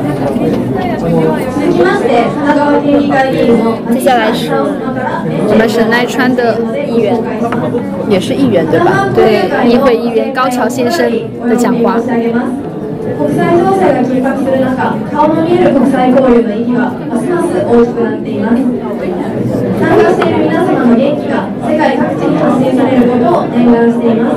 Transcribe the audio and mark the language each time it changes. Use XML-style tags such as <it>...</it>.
<ja>続きまして、神奈川県議会議員の</ja> <zh>接下来是我们神奈川的议员，也是议员对吧？对，议会议员高桥先生的讲话。</zh> <ja>国際情勢が緊迫する中、顔の見える国際交流の意義はますます大きくなっています。参加している皆様の元気が世界各地に発信されることを念願しています。</ja>